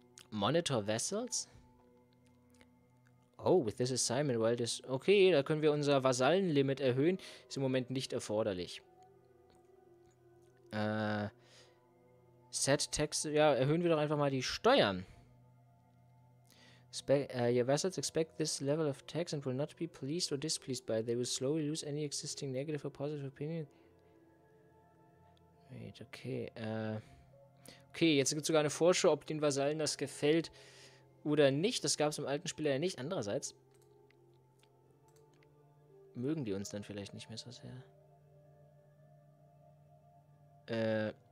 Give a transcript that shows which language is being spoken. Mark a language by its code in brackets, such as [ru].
[en] Monitor Vessels? Oh, with this assignment, well, this... [de] Okay, da können wir unser Vasallenlimit erhöhen. Ist im Moment nicht erforderlich. [en] Set Text... [de] Ja, erhöhen wir doch einfach mal die Steuern. [en] Your vessels expect this level of tax and will not be pleased or displeased by it. They will slowly lose any existing negative or positive opinion. Wait, okay. [de] Okay, jetzt gibt es sogar eine Vorschau, ob den Vasallen das gefällt oder nicht. Das gab es im alten Spiel ja nicht. Andererseits mögen die uns dann vielleicht nicht mehr so sehr.